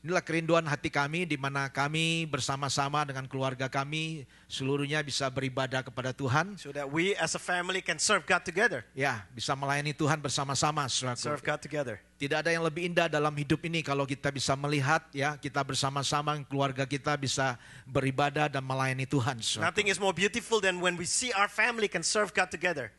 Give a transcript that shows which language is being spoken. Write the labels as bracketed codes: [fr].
[id] Inilah kerinduan hati kami di mana kami bersama-sama dengan keluarga kami seluruhnya bisa beribadah kepada Tuhan. [en] So that we as a family can serve God together. [id] Ya, bisa melayani Tuhan bersama-sama. [en] Serve God together. [id] Tidak ada yang lebih indah dalam hidup ini kalau kita bisa melihat ya kita bersama-sama keluarga kita bisa beribadah dan melayani Tuhan. [en] Nothing is more beautiful than when we see our family can serve God together.